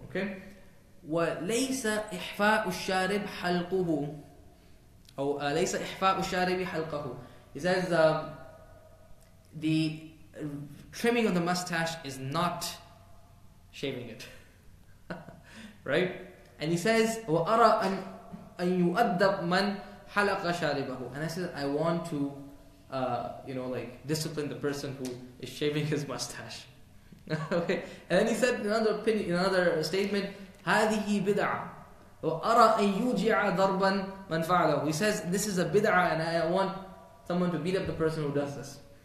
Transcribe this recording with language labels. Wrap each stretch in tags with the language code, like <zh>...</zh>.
<en>Okay,</en> <ar>وَلَيْسَ إِحْفَاءُ الشَّارِبْ حَلْقُهُ,</ar> <en>or</en> <ar>لَيْسَ إِحْفَاءُ الشَّارِبِ حَلْقَهُ,</ar> <en>he says the trimming of the mustache is not shaving it. Right? And he says,</en> <ar>وَأَرَى أَنْ يُؤَدَّبْ مَنْ حَلَقَ شَارِبَهُ.</ar> <en>And I said, I want to, you know, like, discipline the person who is shaving his mustache. Okay. And then he said, in another statement,</en> <ar>هَذِهِ بِدْعَةٌ وَأَرَى أَنْ يُوجِعَ ضَرْبًا مَنْ فَعَلَهُ.</ar> <en>He says, this is a bid'ah, and I want someone to beat up the person who does this.</en>